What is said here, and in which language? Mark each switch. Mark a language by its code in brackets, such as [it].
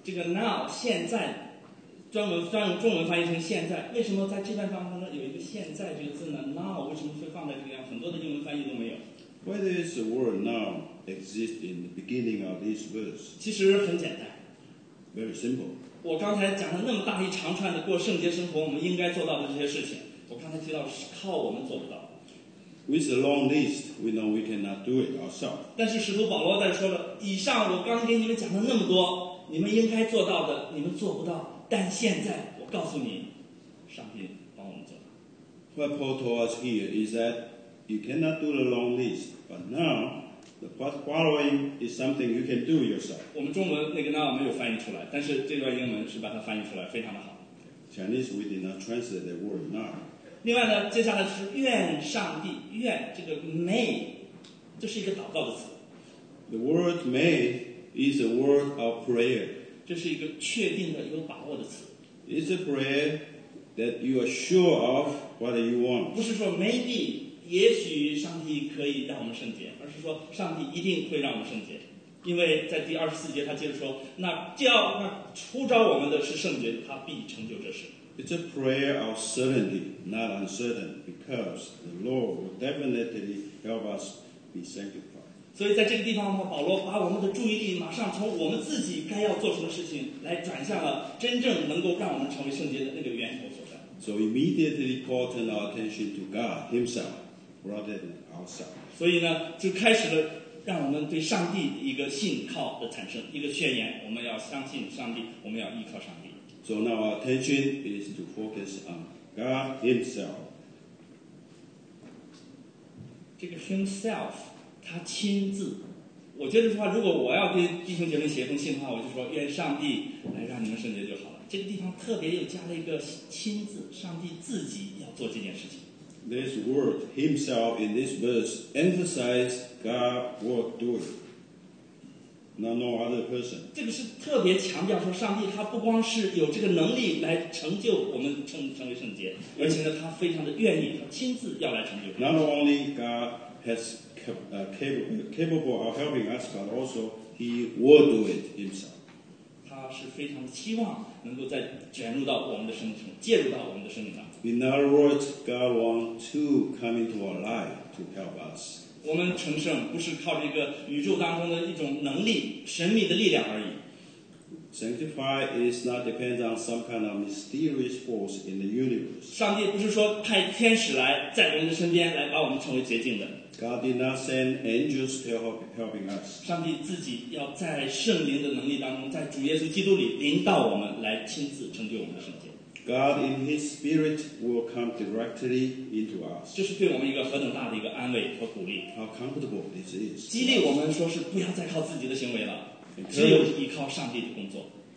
[zh] 这个 now 现在，专用中文翻译成现在，为什么在这段当中有一个现在这个字呢 ？Now 为什么会放在这个样？很多的英文翻译都没有。 [en] Why does the word now exist in the beginning of this verse? [zh] 其实很简单。 [en] Very simple. [zh] 我刚才讲了那么大一长串的过圣洁生活我们应该做到的这些事情，我刚才提到是靠我们做不到。 [en] With a long list, we know we cannot do it ourselves. [zh] 但是使徒保罗在说了，以上我刚给你们讲了那么多，你们应该做到的，你们做不到。但现在我告诉你，上帝帮我们做到。 [en] What Paul told us here is that you cannot do the long list, but now the following is something you can do yourself. [zh] 我们中文那个 now 没有翻译出来，但是这段英文是把它翻译出来，非常的好。 [en] Chinese, we did not translate the word now. [zh] 另外呢，接下来是愿上帝，愿这个 may， 这是一个祷告的词。 [en] The word may is a word of prayer。 [zh] 这是一个确定的、有把握的词。 [en] It's a prayer that you are sure of what you want。 [zh] 不是说 maybe， 也许上帝可以让我们圣洁，而是说上帝一定会让我们圣洁。因为在第二十四节，他接着说：“那呼召我们的是圣洁，他必成就这事。” [en] It's a prayer of certainty. Not uncertain, because the Lord will definitely help us be sanctified. [zh] 所以在这个地方，保罗把我们的注意力马上从我们自己该要做什么事情来转向了真正能够让我们成为圣洁的那个源头所在。 [en] So immediately Paul turned our attention to God Himself, rather than ourselves. [zh] 所以呢，就开始了让我们对上帝一个信靠的产生，一个宣言。我们要相信上帝，我们要依靠上帝。 [en] So now our attention is to focus on. God Himself. [zh] 这个 Himself, 他亲自。我觉得说如果我要对弟兄姐妹写一封信的话，我就说愿上帝来让你们圣洁就好了。这个地方特别又加了一个亲自，上帝自己要做这件事情。 [en] This word Himself in this verse emphasizes God will do it, not no other person. [zh] 这个是特别强调说，上帝他不光是有这个能力来成就我们成为圣洁，而且呢，他非常的愿意，他亲自要来成就。 [en] Not only God has capable of helping us, but also He will do it Himself. [zh] 他是非常期望能够再卷入到我们的生命中，介入到我们的生命当中。 [en] In other words, God wants to come into our life to help us. [zh] 我们成圣不是靠这个宇宙当中的一种能力、神秘的力量而已。 [en] Sanctify is not depends on some kind of mysterious force in the universe. [zh] 上帝不是说派天使来在人的身边来把我们成为洁净的。 [en] God did not send angels to helping us. [zh] 上帝自己要在圣灵的能力当中，在主耶稣基督里临到我们，来亲自成就我们的圣洁。 [en] God in His Spirit will come directly into us. [zh] 这是对我们一个何等大的一个安慰和鼓励。 [en] How comfortable this is. [zh] 激励我们说是不要再靠自己的行为了，只有依靠上帝的工作。